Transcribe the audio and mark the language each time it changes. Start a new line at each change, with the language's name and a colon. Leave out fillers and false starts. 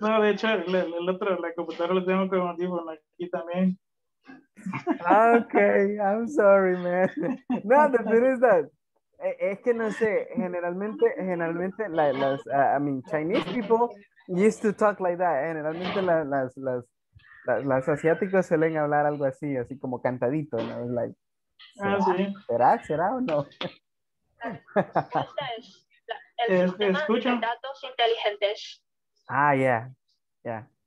Spanish: No, de hecho, el otro, la computadora lo tengo con audífonos aquí también.
English: Okay, I'm sorry, man. No, the thing is that,
Spanish: es que no sé, generalmente las,
English: I mean, Chinese people used to talk like that.
Spanish: Generalmente las asiáticos suelen hablar algo así, así como cantadito, ¿no?
English: Like,
Spanish: ah, sí. ¿Será? ¿Será o no? El sistema de datos inteligentes.
English: Ah, yeah, yeah.